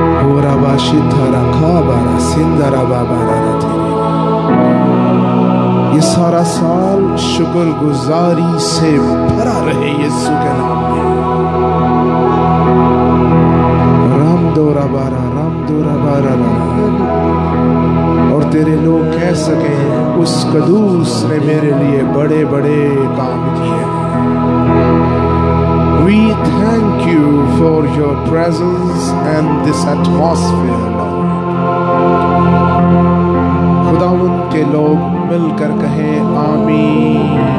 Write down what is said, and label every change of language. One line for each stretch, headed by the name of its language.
Hindi: ये सारा साल शुक्र गुजारी से भरा रहे यीशु के नाम में. राम दोरा बारा राम दोरा बारा रा. और तेरे लोग कह सके उस कदूस ने मेरे लिए बड़े बड़े काम किए.
English: We thank you for your presence and this atmosphere.
Hindi: खुदावंत के लोग मिलकर कहें आमीन.